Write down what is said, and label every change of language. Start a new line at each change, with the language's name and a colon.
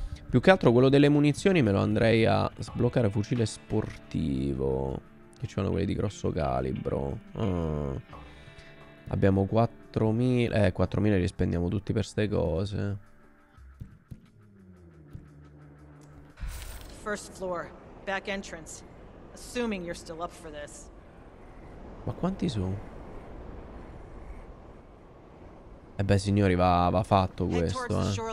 Italian: Più che altro quello delle munizioni me lo andrei a sbloccare. Fucile sportivo. Che ci sono quelli di grosso calibro. Abbiamo 4.000. 4.000 li spendiamo tutti per ste cose.
English: First floor, back entrance. Assuming you're still up for this.
Italian: Ma quanti sono? Eh beh, signori, va fatto questo, eh.